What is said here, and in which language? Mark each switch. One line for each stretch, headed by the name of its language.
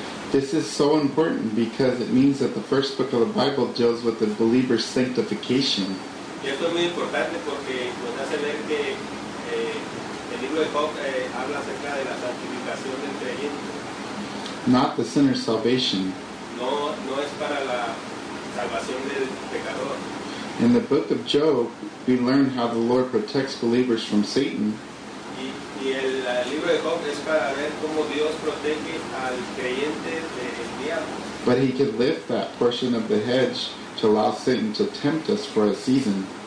English: This is so important because it means that the first book of the Bible deals with the believer's sanctification.
Spanish: Y esto es muy importante porque nos hace ver que el libro de Job habla acerca de la santificación del creyente.
English: Not the sinner's salvation.
Spanish: No es para la salvación del pecador.
English: In the book of Job, we learn how the Lord protects believers from Satan.
Spanish: Y el libro de Job es para ver cómo Dios protege al creyente del diablo.
English: But he could lift that portion of the hedge to allow Satan to tempt us for a season.